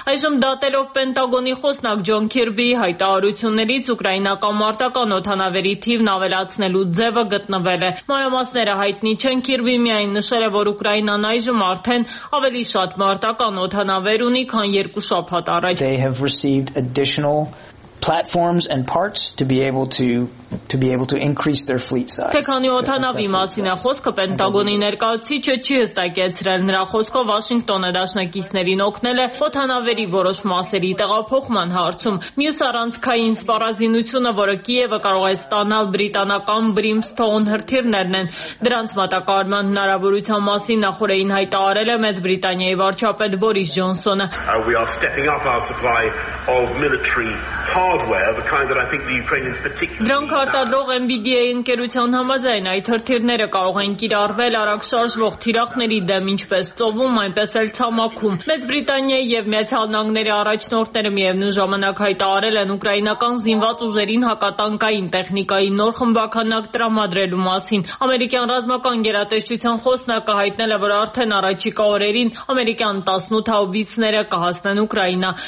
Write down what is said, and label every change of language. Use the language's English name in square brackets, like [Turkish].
[Armenian] Այժմ դատելով Պենտագոնի խոսնակ Ջոն Քիրբիի հայտարարություններից, ուկրաինական մարտական օդանավերի թիվն ավելացնելու ձևը գտնվել է։ Մանրամասները հայտնի չեն, Քիրբի միայն նշել է, որ Ուկրաինան այժմ արդեն ավելի շատ մարտական օդանավեր ունի, քան երկու շաբաթ առաջ։ [English] platforms and parts to be able to increase their fleet size. [Armenian] Քանի օթանավի մասին է խոսքը, Պենտագոնի ներկայացիչը չի հստակեցրել, նրա խոսքով Վաշինգտոնը դաշնակիցներին օգնել է օթանավերի որոշ մասերի տեղափոխման հարցում։ Մյուս առանցքային սպառազինությունը, որը Կիևը կարող է ստանալ, բրիտանական Brimstone հրթիռներն են։ Դրանց մատակարարման հնարավորության մասին նախորդին հայտարարել է Մեծ Բրիտանիայի վարչապետ Բորիս Ջոնսոնը. [English] We are stepping up our supply of military hardware, the kind that I think the Ukrainians particularly [Armenian] Դրանք արտադրող MBDA-ի ընկերության համաձայն այդ հրթիռները կարող են կիրառվել արագ շարժվող թիրախների դեմ, ինչպես ծովում, այնպես էլ ցամաքում։ Մեծ Բրիտանիայի եւ Միացյալ Նահանգների առաջնորդները միևնույն ժամանակ հայտարարել են ուկրաինական զինված ուժերին հակատանկային տեխնիկայի նոր խմբականակ տրամադրելու մասին։ Ամերիկյան ռազմական գերատեսչության խոսնակը հայտնել է, որ արդեն առաջիկա օրերին ամերիկյան 18 հաուբիցները կհասնեն Ուկրաինա։